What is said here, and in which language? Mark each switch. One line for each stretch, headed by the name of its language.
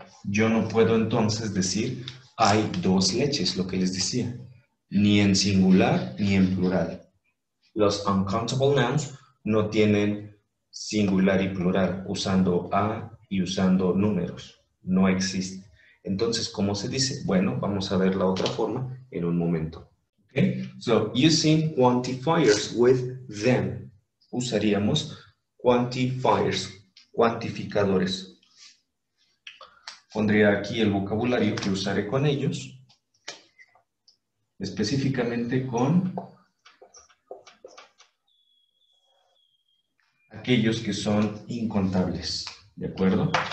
Spanish: Yo no puedo entonces decir hay dos leches, lo que les decía, ni en singular ni en plural. Los uncountable nouns no tienen singular y plural usando a y usando números. No existe. Entonces, ¿cómo se dice? Bueno, vamos a ver la otra forma en un momento. Okay.
English: So, using quantifiers with them.
Spanish: Usaríamos quantifiers, cuantificadores. Pondría aquí el vocabulario que usaré con ellos. Específicamente con aquellos que son incontables. ¿De acuerdo?